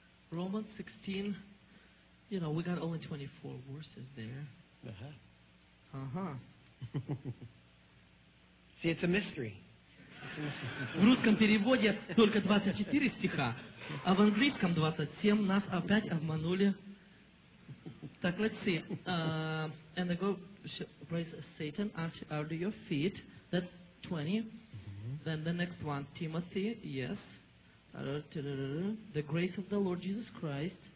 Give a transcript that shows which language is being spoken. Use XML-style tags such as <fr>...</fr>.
<en>Romans 16, you know, we got only 24 verses there. See, it's a mystery.</en> <ru>В русском переводе только 24 стиха, а в английском 27 нас опять обманули.</ru> <en>Так, let's see. And the God shall raise Satan out of your feet. That's 20. Then the next one, Timothy, yes. The grace of the Lord Jesus Christ.</en>